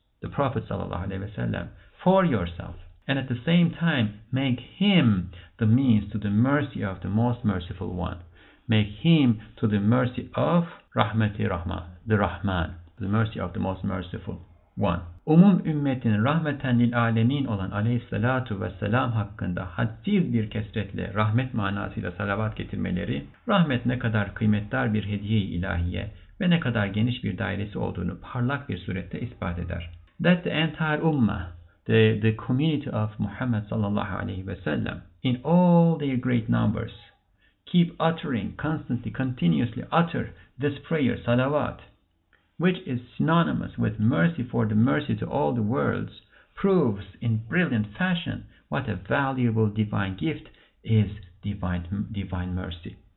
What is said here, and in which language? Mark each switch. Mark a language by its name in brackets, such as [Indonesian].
[English] The Prophet sallallahu alaihi wasallam, for yourself, and at the same time make him the means to the mercy of the most merciful one. make him to the mercy of Rahmeti Rahman, the Rahman, the mercy of the most merciful one. [Turkish] Umum ümmetin rahmeten lil alemin olan aleyhissalatu vesselam hakkında hadsiz bir kesretle rahmet manasıyla salavat getirmeleri, rahmet ne kadar kıymetdar bir hediye-i ilahiye ve ne kadar geniş bir dairesi olduğunu parlak bir surette ispat eder. [English] That the entire ummah, the community of Muhammed sallallahu aleyhi ve sellem, in all their great numbers, keep uttering, constantly, continuously utter this prayer, salawat, which is synonymous with mercy for the mercy to all the worlds, proves in brilliant fashion what a valuable divine gift is divine mercy.